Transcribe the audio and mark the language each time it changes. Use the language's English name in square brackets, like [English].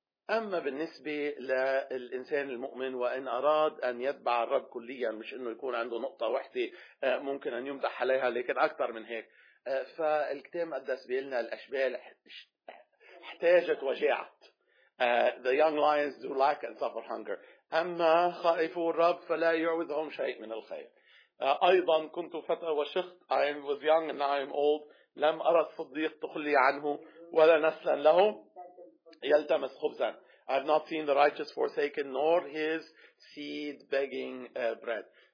[Arabic] أما بالنسبة للإنسان المؤمن، وإن أراد أن يتبع الرب كليا، مش أنه يكون عنده نقطة واحدة ممكن أن يمدح عليها، لكن أكثر من هيك، فالكتاب المقدس بيقلنا الأشبال احتاجت وجاعت. [English] The young lions do lack and suffer hunger. [Arabic] أما خائفوا الرب فلا يعوذهم شيء من الخير. أيضا كنت فتى وشخت، [English] I was young and now I'm old. [Arabic] لم أرى الصديق تخلي عنه ولا نسلا له يلتمس خبزا. [English] I have not seen the righteous forsaken nor his seed begging bread.